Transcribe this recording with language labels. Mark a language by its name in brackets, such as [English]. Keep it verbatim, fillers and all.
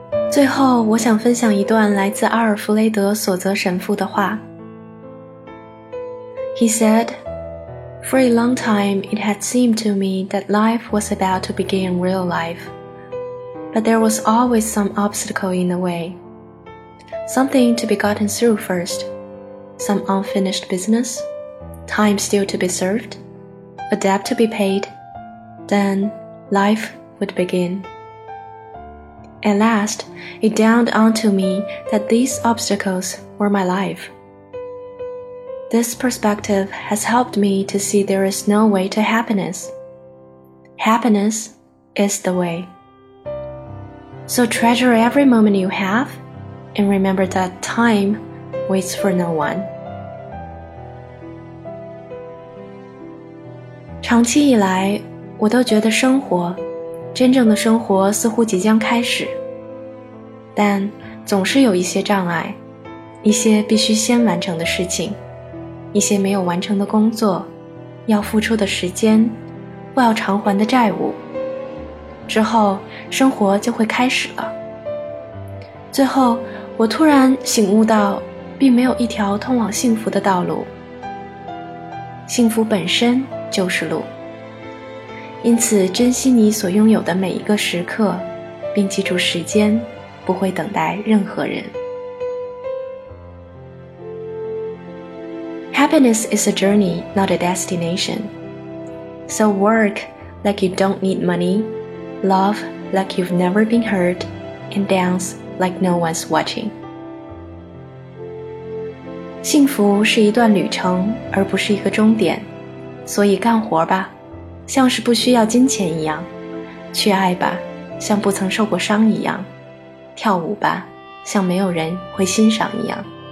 [Chinese] 最后，我想分享一段来自阿尔弗雷德·索泽神父的话。 [English] He said, "For a long time, it had seemed to me that life was about to begin real life, but there was always some obstacle in the way, something to be gotten through first, some unfinished business, time still to be served, a debt to be paid, then life would begin." At last, it dawned onto me that these obstacles were my life. This perspective has helped me to see there is no way to happiness. Happiness is the way. So treasure every moment you have, and remember that time waits for no one. [Chinese] 长期以来，我都觉得生活真正的生活似乎即将开始，但总是有一些障碍，一些必须先完成的事情，一些没有完成的工作，要付出的时间，或要偿还的债务。之后，生活就会开始了。最后，我突然醒悟到，并没有一条通往幸福的道路，幸福本身就是路。因此，珍惜你所拥有的每一个时刻，并记住时间不会等待任何人。 [English] Happiness is a journey, not a destination. So work like you don't need money, love like you've never been hurt, and dance like no one's watching. [Chinese] 幸福是一段旅程，而不是一个终点，所以干活吧，像是不需要金钱一样，去爱吧，像不曾受过伤一样，跳舞吧，像没有人会欣赏一样。